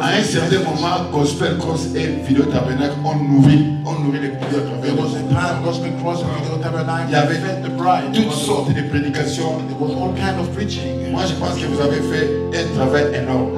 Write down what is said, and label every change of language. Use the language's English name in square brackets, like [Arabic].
[French] À un certain moment, Gospel Cross et Vidéo Tabernacle ont nourri les prières à travers. [English] There was a time, Gospel Cross and Vidéo Tabernacle. [French] Il y avait toutes sortes de prédications. [English] There was all kind of preaching. [French] Moi, je pense que vous avez fait un travail énorme.